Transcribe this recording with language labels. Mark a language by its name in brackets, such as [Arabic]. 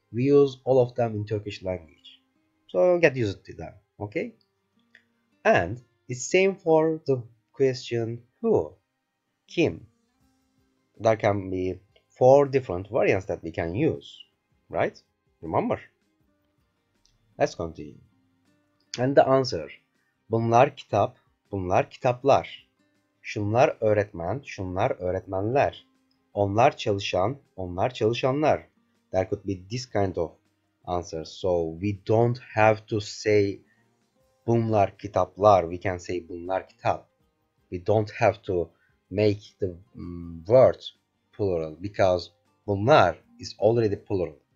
[English] We use all of them in Turkish language. So get used to them, okay? And it's same for the question who? Kim? There can be four different variants that we can use, right? Remember? Let's continue. And the answer. [Turkish] Bunlar kitap, bunlar kitaplar. Şunlar öğretmen, şunlar öğretmenler. Onlar çalışan, onlar çalışanlar. [English] There could be this kind of answer. So we don't have to say [Turkish] bunlar kitaplar. [English] We can say [Turkish] bunlar kitap. [English] We don't have to make the word plural because bunlar is already plural.